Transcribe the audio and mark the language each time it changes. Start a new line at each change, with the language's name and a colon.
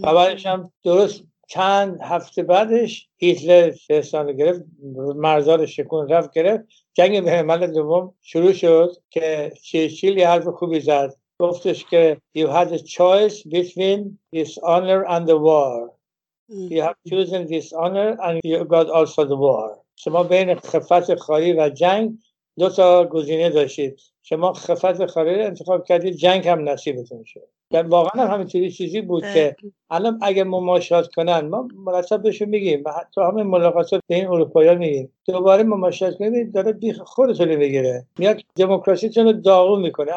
Persian: و بعدش هم درست چند هفته بعدش هیتلر فرستان رو گرفت، مرزار شکون رفت گرفت، جنگ بین الملل دوم شروع شد که چرچیل یه حرف خوبی زد، گفتش که
English: you had a choice between dishonor and the war. You have chosen dishonor and you got also the war.
Persian: شما بین خفت خاری و جنگ دو تا گزینه داشتید، شما خفت خاری رو انتخاب کردید، جنگ هم نصیبتون شد. واقعا هم همینطوری چیزی بود که الان اگه مماشات کنن، ما مرتب بهشون میگیم و تو همه ملاقاتات به این اروپایی ها میگیم دوباره مماشات کنید، داره بیخ خودتون رو میگیره، میاد دموکراسیتون رو داغون میکنه.